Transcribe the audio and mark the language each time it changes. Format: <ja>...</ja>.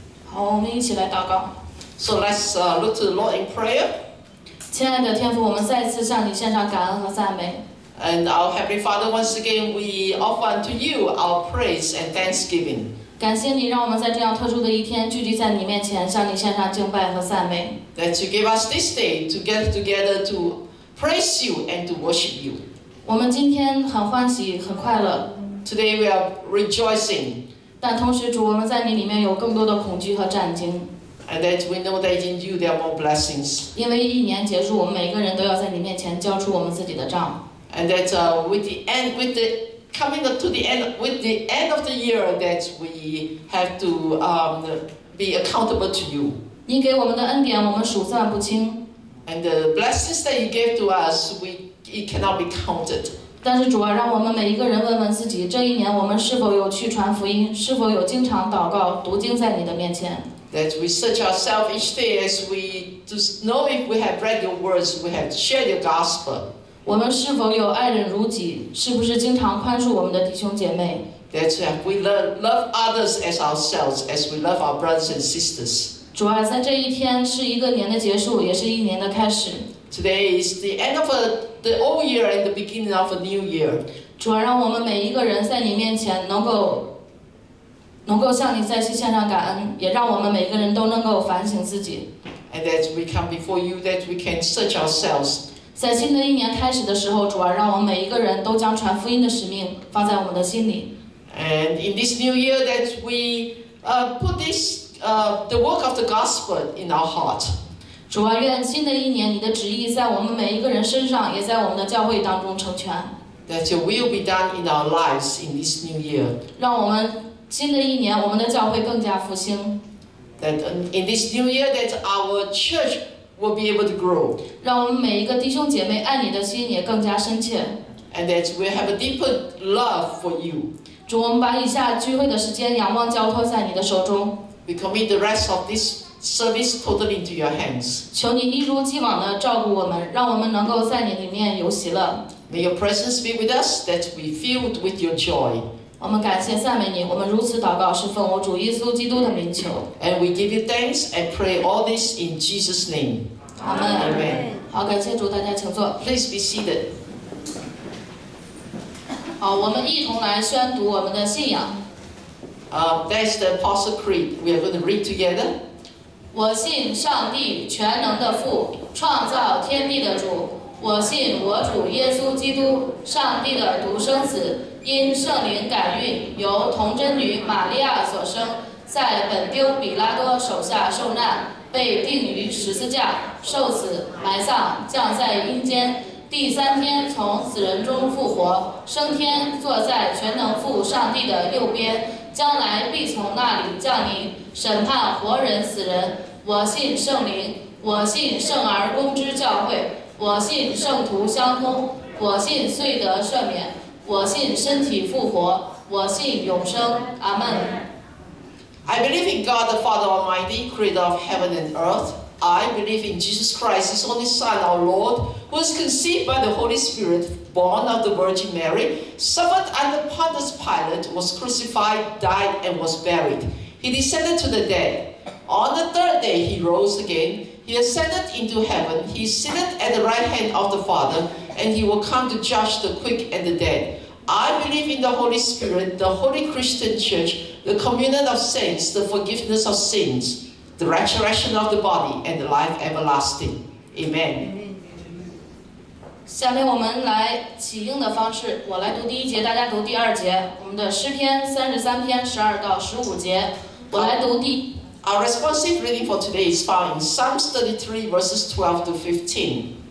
<en>So let's look to the Lord in prayer.</en> <zh>亲爱的天父，我们再次向你献上感恩和赞美。</zh> <en>And our Heavenly Father, once again, we offer unto you our praise and thanksgiving.</en> <zh>感谢你让我们在这样特殊的一天聚集在你面前，向你献上敬拜和赞美。</zh> <en>That you gave us this day to get together to praise you and to worship you.</en> <zh>我们今天很欢喜，很快乐。</zh> <en>Today we are rejoicing.</en> <zh>但同时主，我们在你里面有更多的恐惧和战惊。</zh> <en>And that we know that in you there are more blessings.</en> <zh>因为一年结束，我们每个人都要在你面前交出我们自己的账。</zh> <en>And that with the end of the year, that we have to be accountable to you.</en> <zh>你给我们的恩典，我们数算不清。</zh> <en>And the blessings that you gave to us, it cannot be counted.</en> <zh>但是主啊，让我们每一个人问问自己，这一年我们是否有去传福音，是否有经常祷告、读经在你的面前。</zh> <en>That we search ourselves each day as we to know if we have read your words, we have shared your gospel.</en> <zh>我们是否有爱人如己？是不是经常宽恕我们的弟兄姐妹</zh> <en>？That we love others as ourselves, as we love our brothers and sisters.</en> <zh>主啊，在这一天是一个年的结束，也是一年的开始。</zh> <en>Today is the end of the old year and the beginning of a new year.</en> <zh>主啊，让我们每一个人在你面前能够向你再次献上感恩，也让我们每个人都能够反省自己。</zh> <en>And that we come before you, that we can search ourselves.</en> <zh>在新的一年开始的时候，主啊，让我们每一个人都将传福音的使命放在我们的心里。</zh> <en>And in this new year, that we put this the work of the gospel in our heart.</en> <zh>主啊，愿新的一年你的旨意在我们每一个人身上，也在我们的教会当中成全。</zh> <en>That your will be done in our lives in this new year.</en> <zh>让我们新的一年，我们的教会更加复兴。</zh> <en>That in this new year, that our church will be able to grow.</en> <zh>让我们每一个弟兄姐妹爱你的心也更加深切。</zh> <en>And that we have a deeper love for you.</en> <zh>主，我们把以下聚会的时间仰望交托在你的手中。</zh> <en>We commit the rest of this service totally to your hands.</en> <zh>求你一如既往的照顾我们，让我们能够在你里面有喜乐。</zh> <en>May your presence be with us, that we filled with your joy.</en> <zh>我们感谢赞美你，我们如此祷告是奉我主耶稣基督的名求。</zh> <en>And we give you thanks and pray all this in Jesus' name. Amen. Amen.</en> <zh>好，感谢主，大家请坐。</zh> <en>Please be seated.</en> <zh>好，我们一同来宣读我们的信仰。</zh> <en>That's the Apostle Creed. We are going to read together.</en> <zh>我信上帝全能的父，创造天地的主。我信我主耶稣基督，上帝的独生子。因圣灵感孕，由童贞女玛利亚所生，在本丢比拉多手下受难，被钉于十字架，受死，埋葬，降在阴间，第三天从死人中复活，升天，坐在全能父上帝的右边，将来必从那里降临，审判活人死人。我信圣灵，我信圣而公之教会，我信圣徒相通，我信罪得赦免。我信身体复活，我信永生，阿们。</zh> <en>I believe in God the Father Almighty, Creator of heaven and earth. I believe in Jesus Christ, His only Son, our Lord, who was conceived by the Holy Spirit, born of the Virgin Mary, suffered under Pontius Pilate, was crucified, died, and was buried. He descended to the dead. On the third day, He rose again. He ascended into heaven. He is seated at the right hand of the Father. And he will come to judge the quick and the dead. I believe in the Holy Spirit, the Holy Christian Church, the communion of saints, the forgiveness of sins, the resurrection of the body, and the life everlasting. Amen.</en> <zh>下面我们来起应的方式，我来读第一节，大家读第二节。我们的诗篇三十三篇十二到十五节，我来读第。</zh> <en>Our responsive reading for today is found in Psalms 33 verses 12 to 15.</en>